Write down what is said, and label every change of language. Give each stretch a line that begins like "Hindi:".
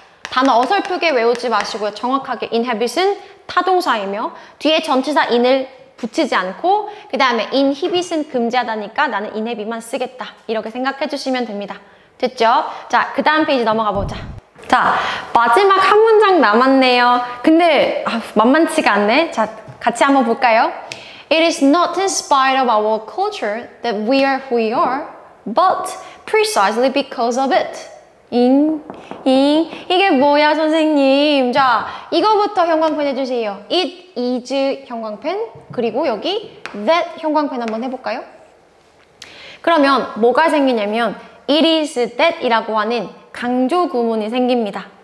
Korean: 단어 어설프게 외우지 마시고요. 정확하게 inhabit은 타동사이며 뒤에 전치사 in을 붙이지 않고 그 다음에 inhibit은 금지하다니까 나는 inhabit만 쓰겠다. 이렇게 생각해 주시면 됩니다. 됐죠? 자, 그 다음 페이지 넘어가 보자. 자, 마지막 한 문장 남았네요. 근데 만만치가 않네. 자, 같이 한번 볼까요?
English: It is not in spite of our culture that we are who we are, but precisely because of it.
Korean: 이게 뭐야 선생님. 자, 이거부터 형광펜 해주세요. It is 형광펜, 그리고 여기 that 형광펜 한번 해볼까요? 그러면 뭐가 생기냐면 it is that 이라고 하는 강조 구문이 생깁니다.